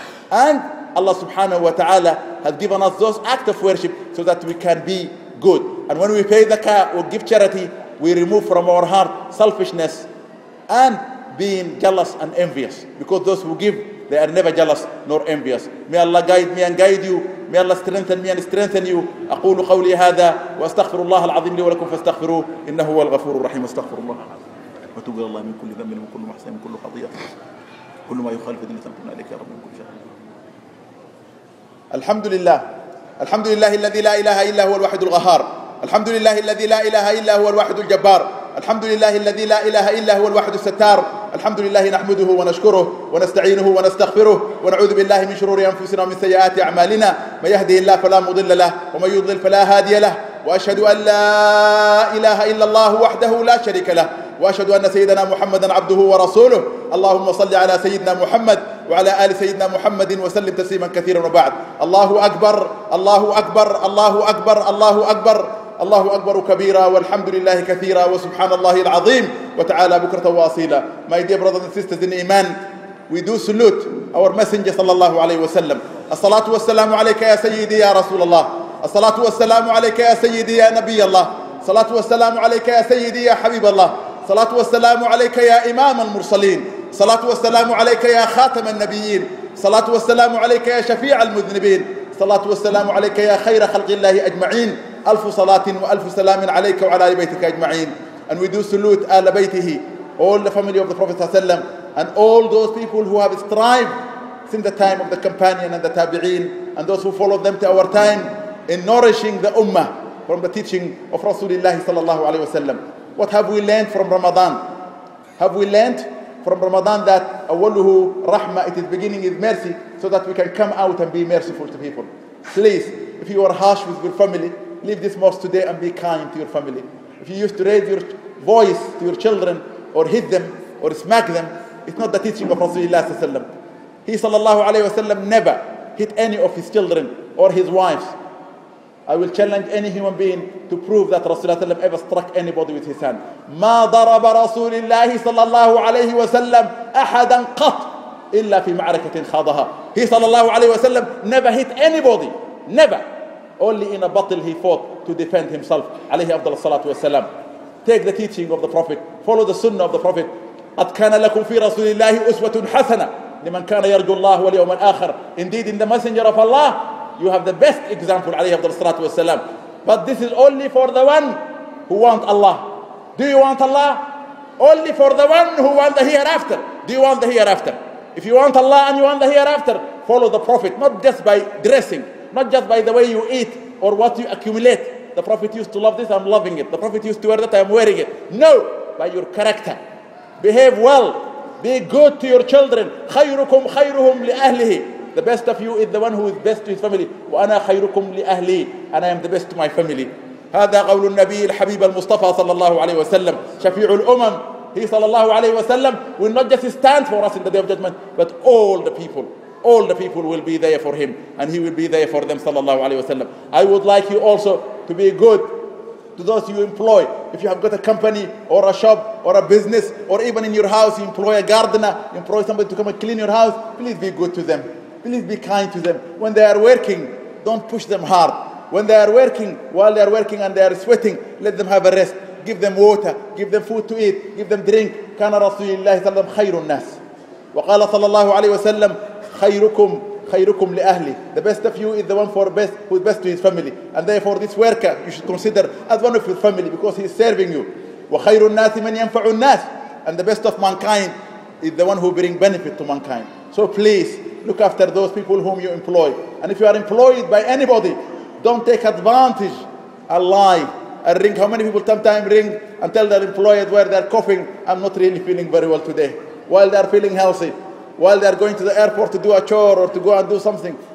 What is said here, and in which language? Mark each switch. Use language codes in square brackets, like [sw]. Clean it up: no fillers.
[en] And Allah subhanahu wa ta'ala has given us those acts of worship so that we can be good. And when we pay zakah or give charity, we remove from our heart selfishness and being jealous and envious. Because those who give, they are never jealous nor envious. May Allah guide me and guide you. May Allah strengthen me and strengthen you. [ar] أقول قولي هذا وأستغفر الله العظيم لي ولكم فاستغفروه إنه هو الغفور الرحيم. أستغفر الله العظيم وتوب إلى الله من كل ذنب ومن كل محسن ومن كل خطيئة كل ما يخالف دين ثمتنا عليك يا رب من كل شر. الحمد لله. الحمد لله الذي لا إله إلا هو الواحد الغفار. الحمد لله الذي لا إله إلا هو الواحد الجبار. الحمد لله الذي لا إله إلا هو الواحد الستار. الحمد لله نحمده ونشكره ونستعينه ونستغفره ونعوذ بالله من شرور أنفسنا ومن سيئات أعمالنا. من يهده الله فلا مضل له ومن يضلل فلا هادي له. وأشهد أن لا إله إلا الله وحده لا شريك له. وأشهد أن سيدنا محمدًا عبده ورسوله. اللهم صل على سيدنا محمد وعلى آل سيدنا محمد وسلم تسليما كثيرا وبعد. الله أكبر الله أكبر الله أكبر الله أكبر الله أكبر كبيرا والحمد لله كثيرا وسبحان الله العظيم وتعالى بكرة واصيلا. [en] My dear brothers and sisters in Iman, we do salute our messenger [ar] صلى الله عليه وسلم. الصلاة والسلام عليك يا سيدي يا رسول الله. الصلاة والسلام عليك يا سيدي يا نبي الله. الصلاة والسلام عليك يا سيدي يا حبيب الله. الصلاة والسلام عليك يا إمام المرسلين. الصلاة والسلام عليك يا خاتم النبيين. الصلاة والسلام عليك يا شفيع المذنبين. الصلاة والسلام عليك يا خير خلق الله أجمعين. ألف صلاة وألف سلام عليك وعلى آل بيتك أجمعين. [en] And we do salute [ar] آل بيته, [en] all the family of the Prophet [ar] وسلم, [en] and all those people who have strived since the time of the companion and the tabi'in, and those who followed them to our time in nourishing the ummah from the teaching of Rasulullah [ar] sallallahu alayhi wa sallam. [en] What have we learned from Ramadan? Have we learned from Ramadan that [ar] awwaluhu rahma, [en] it is beginning with mercy, so that we can come out and be merciful to people? Please, if you are harsh with your family, leave this mosque today and be kind to your family. If you used to raise your voice to your children or hit them or smack them, it's not the teaching of Rasulullah [ar] sallallahu alayhi wa sallam. [en] He [ar] sallallahu alayhi wa sallam [en] never hit any of his children or his wives. I will challenge any human being to prove that Rasulullah sallam ever struck anybody with his hand. [ar] ما ضرب رسول الله صلى الله عليه وسلم أحدا قط إلا في معركة خاضها. [en] He [ar] صلى الله عليه وسلم [en] never hit anybody. Never. Only in a battle he fought to defend himself. [ar] عليه أفضل الصلاة والسلام. [en] Take the teaching of the Prophet. Follow the sunnah of the Prophet. [ar] قد كان لكم في رسول الله أسوة حسنة لمن كان يرجو الله واليوم الآخر. [en] Indeed, in the messenger of Allah, you have the best example, [ar] alayhi abdul salatu wasalam. [en] But this is only for the one who want Allah. Do you want Allah? Only for the one who want the hereafter. Do you want the hereafter? If you want Allah and you want the hereafter, follow the Prophet, not just by dressing, not just by the way you eat or what you accumulate. The Prophet used to love this, I'm loving it. The Prophet used to wear that, I'm wearing it. No, by your character. Behave well, Be good to your children. [ar] خيركم خيرهم لأهله. [en] The best of you is the one who is best to his family. [ar] وأنا خيركم لأهلي. [en] And I am the best to my family. [ar] هذا قول النبي الحبيب المصطفى صلى الله عليه وسلم. شفيع الأمم. [en] He [ar] صلى الله عليه وسلم [en] will not just stand for us in the day of judgment, but all the people. All the people will be there for him, and he will be there for them, [ar] sallallahu alayhi wa sallam. [en] I would like you also to be good to those you employ. If you have got a company or a shop or a business, or even in your house, you employ a gardener, you employ somebody to come and clean your house, please be good to them. Please be kind to them. When they are working, don't push them hard. When they are working, while they are working and they are sweating, let them have a rest. Give them water, give them food to eat, give them drink. [ar] كان رسول الله صلى الله عليه وسلم خير الناس. وقال صلى الله عليه وسلم خيركم خيركم لأهلي. [en] The best of you is the one for best, who is best to his family. And therefore this worker you should consider as one of your family because he is serving you. [ar] وخير الناس من ينفع الناس. [en] And the best of mankind is the one who bring benefit to mankind. So please look after those people whom you employ. And if you are employed by anybody, don't take advantage, a lie, a ring. How many people sometimes ring and tell their employer where they're coughing, I'm not really feeling very well today, while they're feeling healthy, while they're going to the airport to do a chore or to go and do something.